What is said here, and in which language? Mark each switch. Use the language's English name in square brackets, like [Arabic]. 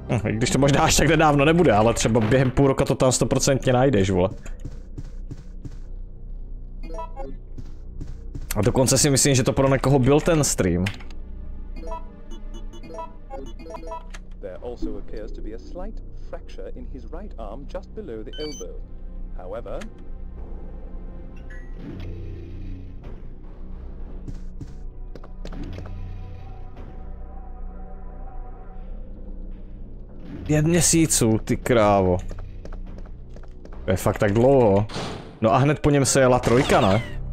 [Czech] Když to možná až tak nedávno nebude, ale třeba během půl roka to tam 100% najdeš, vole. A dokonce si myslím, že to pro někoho byl ten stream. [English] There also appears to be a slight fracture in his right arm just below the elbow. [Czech] However, pět měsíců, ty krávo. To je fakt tak dlouho. No a hned po něm se jela trojka, ne?